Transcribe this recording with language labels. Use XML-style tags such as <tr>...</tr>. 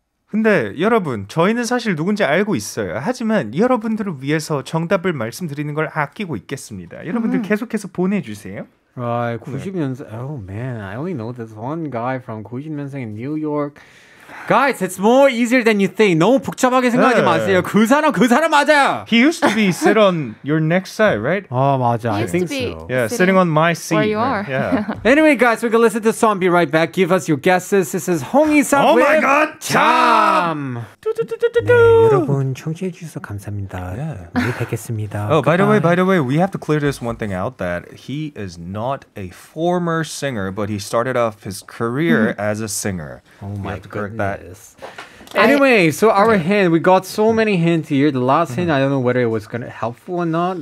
<ko>근데 여러분, 저희는 사실 누군지 알고 있어요. 하지만 여러분들을 위해서 정답을 말씀드리는 걸 아끼고 있겠습니다. 여러분들 계속해서 보내주세요.</ko> <en>Right, 90년생. Oh man, I only know this one guy from 90년생 in New York. Guys, it's more easier than you think.</en> <ko>너무 복잡하게 생각하지 마세요. 그 사람 맞아요.</ko> <en>He used to be sit on your next side, right?</en> <ko>아, 맞아.</ko> <en>I think so. Yeah, sitting on my seat. Where you are. Yeah. Anyway, guys, we're going to listen to the song. Be right back. Give us your guesses. This is Hong Isa. Oh my god.</en> <ko>참. 여러분, 청취해 주셔서 감사합니다. 우리 뵙겠습니다.</ko> <en>Oh, by the way, we have to clear this one thing out that he is not a former singer, but he started off his career as a singer. Oh my god. Anyway, so our hint, we got so many hints here. The last hint, I don't know whether it was going to helpful or not.</en>